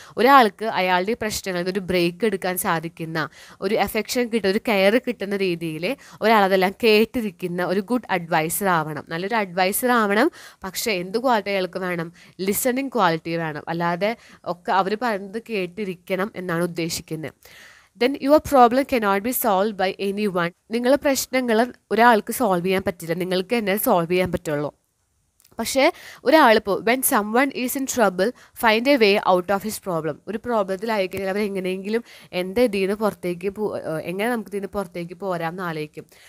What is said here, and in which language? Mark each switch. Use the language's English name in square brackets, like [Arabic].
[Malayalam] ഒരാൾക്ക് അയാളുടെ പ്രശ്നങ്ങളിൽ നിന്ന് ഒരു ബ്രേക്ക് എടുക്കാൻ സാധിക്കുന്ന, ഒരു എഫക്ഷൻ കിട്ടുന്ന, ഒരു കെയർ കിട്ടുന്ന രീതിയിൽ ഒരാളതെല്ലാം കേട്ടിരിക്കുന്ന ഒരു ഗുഡ് അഡ്വൈസർ ആവണം. നല്ലൊരു അഡ്വൈസർ ആവണം. പക്ഷേ എന്ത് ക്വാളിറ്റി അയാൾക്ക് വേണം, ലിസണിങ് ക്വാളിറ്റി വേണം. അല്ലാതെ ഒക്കെ അവർ പറയുന്നത് കേട്ടിരിക്കണം എന്നാണ് ഉദ്ദേശിക്കുന്നത്. [English] Then your problem cannot be solved by anyone. [Malayalam] നിങ്ങളുടെ പ്രശ്നങ്ങൾ ഒരാൾക്ക് സോൾവ് ചെയ്യാൻ പറ്റില്ല, നിങ്ങൾക്ക് തന്നെ സോൾവ് ചെയ്യാൻ പറ്റുള്ളൂ. പക്ഷേ ഒരാളിപ്പോൾ [English] When someone is in trouble find a way out of his problem. [Malayalam] ഒരു പ്രോബ്ലത്തിലായിക്കഴിഞ്ഞാൽ അവരെങ്ങനെയെങ്കിലും എന്താ ഇതിൽ നിന്ന് പുറത്തേക്ക് എങ്ങനെ നമുക്ക് ഇതിൽ നിന്ന് പുറത്തേക്ക് പോരാമെന്ന് ആലോചിക്കും.